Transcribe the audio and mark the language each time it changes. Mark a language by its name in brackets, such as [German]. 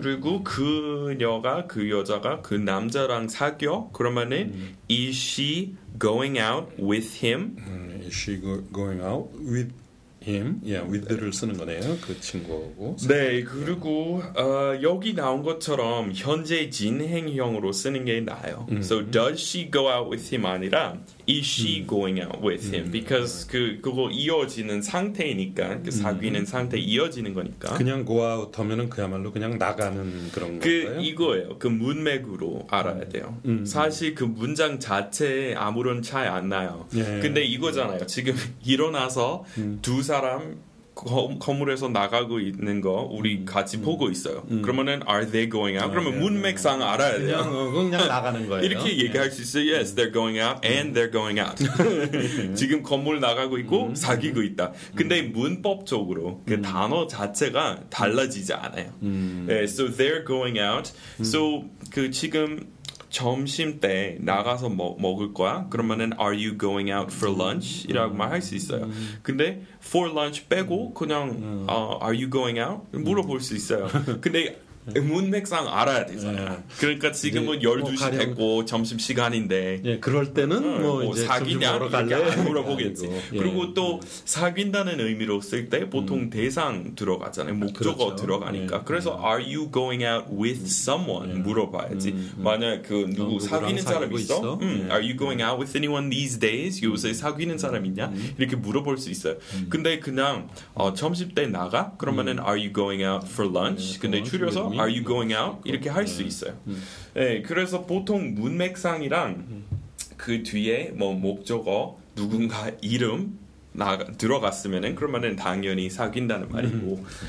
[Korean] 그리고 그녀가 그 여자가 그 남자랑 사귀어? 그러면은 [English] is she going out with him? Is she going out with him? Yeah, with [Korean] 를 쓰는 거네요. 그 친구하고. 네, 그리고 여기 나온 것처럼 현재 진행형으로 쓰는 게 나아요. [English] So does she go out with him [Korean] 아니라 [English] is she going out with him? Because [Korean] 그거 이어지는 상태니까 그 사귀는 상태 이어지는 거니까. 그냥 go out 하면은 그야말로 그냥 나가는 그런 그, 건가요? 이거예요. 그 문맥으로 알아야 돼요. 사실 그 문장 자체에 아무런 차이 안 나요. 예. 근데 이거잖아요. 지금 일어나서 두 사람 건물에서 나가고 있는 거 우리 같이 보고 있어요. 그러면은 [English] are they going out? [Korean] 그러면 문맥상 알아야 돼요. 그냥 나가는 거예요. 이렇게 얘기할 수 있어요. [English] Yes, they're going out and they're going out. [Korean] 지금 건물 나가고 있고 사귀고 있다. 근데 문법적으로 그 단어 자체가 달라지지 않아요. [English] Yeah, so they're going out. So [Korean] 그 지금 점심 때 나가서 먹을 거야? 그러면은 [English] are you going out for lunch? [Korean] 이라고 말할 수 있어요. 근데 [English] for lunch [Korean] 빼고 그냥 [English] are you going out? [Korean] 물어볼 수 있어요. 근데 문맥상 알아야 되잖아요. 그러니까 지금은 12시 뭐 됐고 점심 시간인데 예, 그럴 때는 뭐 이제 사귀냐? 이렇게 물어보겠지. 아, 그리고 또 사귄다는 의미로 쓸 때 보통 대상 들어가잖아요. 목적어 그렇죠. 들어가니까. 그래서 [English] are you going out with someone? [Korean] 물어봐야지. 만약에 그 누구 사귀는 사람 있어? [English] Are you going out with anyone these days? [Korean] 요새 사귀는 사람 있냐? 이렇게 물어볼 수 있어요. 근데 그냥 점심 때 나가? 그러면 [English] are you going out for lunch? [Korean] 근데 줄여서 [English] Are you going out? [Korean] 이렇게 할 수 있어요. 네, 그래서 보통 문맥상이랑 그 뒤에 뭐 목적어 누군가 이름 들어갔으면은 그러면은 당연히 사귄다는 말이고.